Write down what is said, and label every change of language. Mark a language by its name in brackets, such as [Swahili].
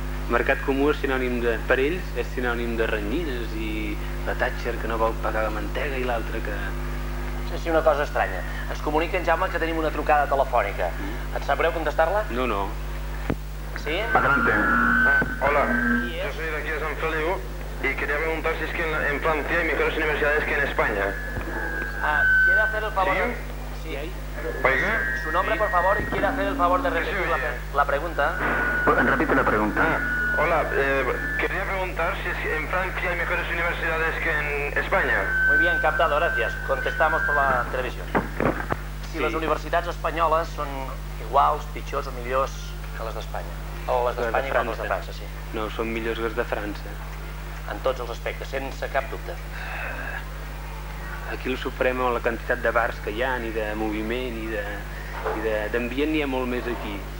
[Catalan] Mercat comú és sinònim de... Per ells és sinònim de renyines i la Thatcher que no vol pagar la mantega i l'altra que... Sí, una cosa estranya. Ens comunica en Jaume que tenim una trucada telefònica. Mm. Et sap greu contestar-la? No, no. Sí? [Spanish] Adelante. Hola. Yes. Yo soy de aquí de San Feliu y quería preguntar si es que en Francia hay mejores universidades que en España. ¿Quiere hacer el favor? Sí. De... Sí, ¿Paiga? Su nombre, sí. Por favor, y quiere hacer el favor de repetir la pregunta. Repite la pregunta. Hola, quería preguntar si en Francia hay mejores universidades que en España. Muy bien, captado, gracias. Contestamos por la televisión. Si sí. [Catalan] Les universitats espanyoles són iguals, pitjors o millors que les d'Espanya. O les d'Espanya i les de França, sí. No, són millors les de França. En tots els aspectes, sense cap dubte. Aquí el suprem amb la quantitat de bars que hi ha, ni de moviment, ni d'ambient, n'hi ha molt més aquí.